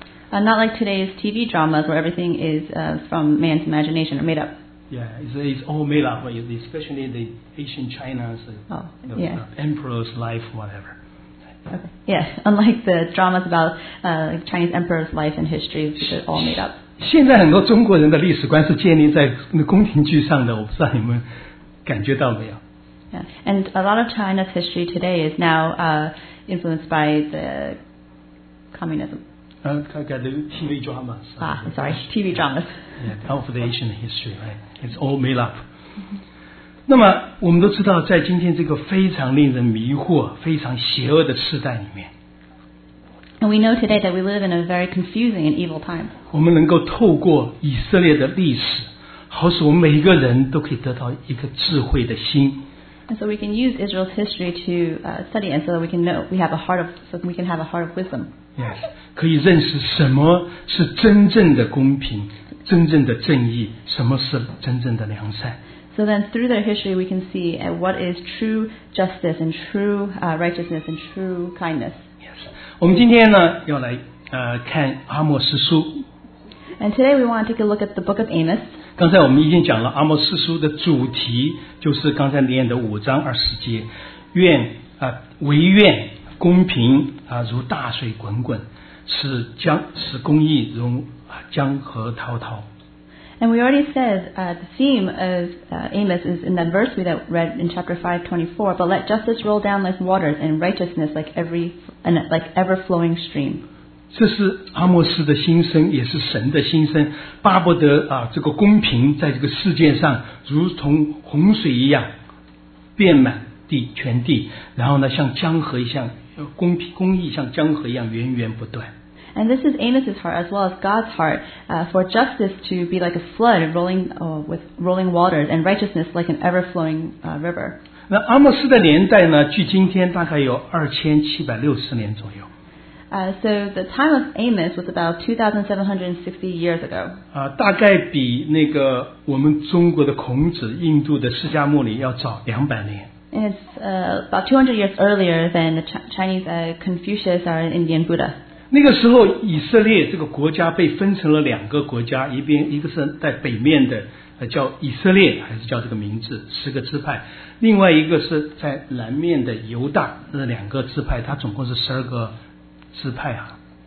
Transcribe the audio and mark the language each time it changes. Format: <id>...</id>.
<en>Not like today's TV dramas where everything is from man's imagination or made up. Yeah, it's all made up, especially the ancient China's emperor's life, whatever. Okay. Yeah, unlike the dramas about Chinese emperor's life and history, it's all made up.</en> <zh>现在很多中国人的历史观是建立在宫廷剧上的，我不知道你们感觉到没有。</zh> <en>Yeah. And a lot of China's history today is now influenced by the communism. The TV dramas. TV dramas. Yeah, of the ancient history, right? It's all made up.</en> <zh>那么我们都知道，在今天这个非常令人迷惑、非常邪恶的时代里面。</zh> <en>And we know today that we live in a very confusing and evil time.</en> <zh>我们能够透过以色列的历史，好使我们每一个人都可以得到一个智慧的心。</zh> <en>And so we can use Israel's history to study, and so that we can know we have a heart of, so we can have a heart of wisdom.</en> <zh>Yes, 可以认识什么是真正的公平，真正的正义，什么是真正的良善。</zh> <en>So then, through their history, we can see what is true justice and true righteousness and true kindness.</en> <zh>Yes, 我们今天呢要来看阿摩斯书。</zh> <en>And today we want to take a look at the book of Amos.</en> <zh>刚才我们已经讲了阿摩斯书的主题，就是刚才念的五章二十节，愿啊唯愿公平啊如大水滚滚，使公义如江河滔滔。</zh> <en>And we already said the theme of Amos is in that verse we read in chapter 5:24, but let justice roll down like waters and righteousness like ever flowing stream.</en> <zh>这是阿摩斯的心声，也是神的心声，巴不得这个公平在这个世界上如同洪水一样遍满地全地，然后呢像江河一样公平公义像江河一样源源不断。</zh> <en>And this is Amos' heart as well as God's heart for justice to be like a flood rolling with rolling waters and righteousness like an ever-flowing river.</en> <zh>那阿摩斯的年代呢距今天大概有2760年左右。</zh> <en>So the time of Amos was about 2760 years ago.</en> <zh>大概比那个我们中国的孔子印度的释迦牟尼要早200年。</zh> <en>And it's about 200 years earlier than the Chinese Confucius or Indian Buddha.</en> <zh>那个时候以色列这个国家被分成了两个国家，一个是在北面的叫以色列，还是叫这个名字，十个支派，另外一个是在南面的犹大，那两个支派它总共是十二个支派啊。</zh>